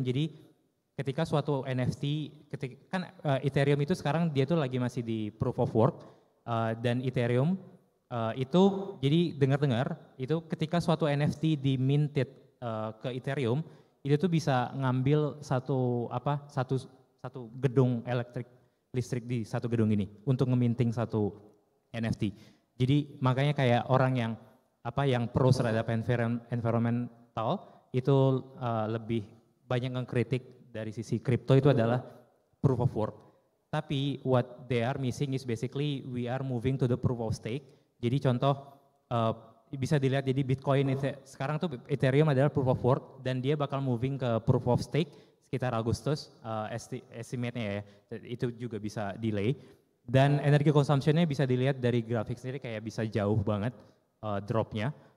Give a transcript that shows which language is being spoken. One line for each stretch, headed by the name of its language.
Indonesian: Jadi ketika suatu NFT, Ethereum itu sekarang dia tuh lagi masih di proof of work dan Ethereum itu jadi dengar-dengar itu ketika suatu NFT diminted ke Ethereum itu tuh bisa ngambil satu gedung listrik di satu gedung ini untuk ngeminting satu NFT. Jadi makanya kayak orang yang pro terhadap environmental itu lebih banyak ngekritik dari sisi crypto itu adalah proof of work.
English: Tapi what they are missing is basically we are moving to the proof of stake.
Indonesian: Jadi contoh bisa dilihat, jadi Bitcoin sekarang tuh Ethereum adalah proof of work dan dia bakal moving ke proof of stake sekitar Agustus, estimate-nya ya, itu juga bisa delay. Dan energy consumption-nya bisa dilihat dari grafik sendiri kayak bisa jauh banget drop-nya.